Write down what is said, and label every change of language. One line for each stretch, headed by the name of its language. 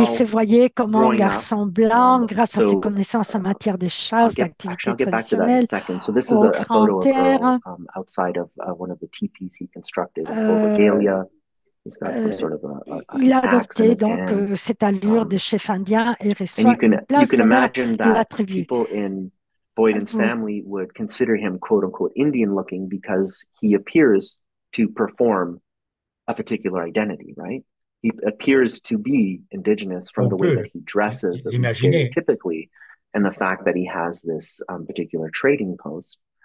French: il se voyait comme un garçon blanc grâce à ses connaissances en matière de chasse, d'activité traditionnelle, au grand air.
English: Outside of one of the teepees he constructed, full regalia. He's got some sort of
French: il a adopté donc cette allure de chef indien et reçoit une place de la tribu.
English: Boyden's family would consider him quote unquote Indian looking because he appears to perform a particular identity, right? He appears to be indigenous from the way that he dresses typically, and the fact that he has this particular trading post.